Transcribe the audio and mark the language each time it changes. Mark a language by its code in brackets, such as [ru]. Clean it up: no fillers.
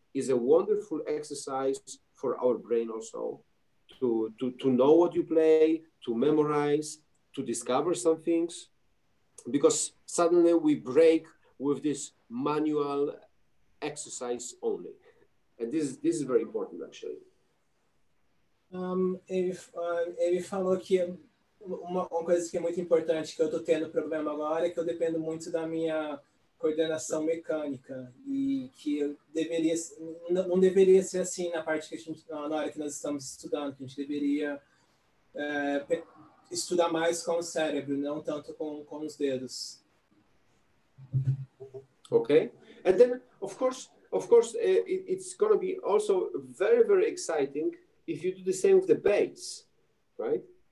[en] is a wonderful exercise for our brain also, to know what you play, to memorize, to discover some things, because suddenly we break with this manual exercise only. And this is very important, actually. [pt] Ele falou que uma coisa que é muito importante, que eu estou tendo problema agora, é que eu dependo muito da minha coordenação mecânica, e que eu deveria, não deveria ser assim na parte que a gente, na hora que nós estamos estudando, que a gente deveria estudar mais com o cérebro, não tanto com os dedos. [en] Ok. And then, of course, it's going to be also very, very exciting if you do the same with the bass, right?